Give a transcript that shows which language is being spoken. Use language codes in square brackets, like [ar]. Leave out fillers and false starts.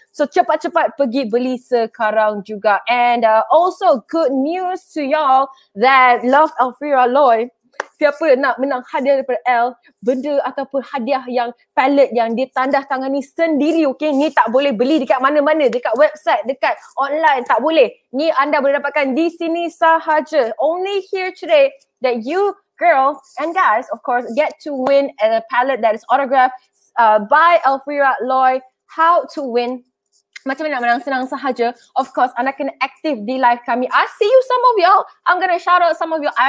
[ms] So cepat-cepat pergi beli sekarang juga. [en] And also good news to y'all that love Elfira Loy. [ms] Siapa nak menang hadiah daripada L, benda ataupun hadiah yang palette yang dia tandas tangan ni sendiri, okay? Ni tak boleh beli dekat mana-mana, dekat website, dekat online, tak boleh. Ni anda boleh dapatkan di sini sahaja. [en] Only here today that you girls and guys, of course, get to win a palette that is autographed by Elfira Loy. How to win? [ms] Macam mana nak menang, senang sahaja. [en] Of course, [ms] anda kena active di live kami. [en] I see you, some of y'all. I'm gonna shout out some of you.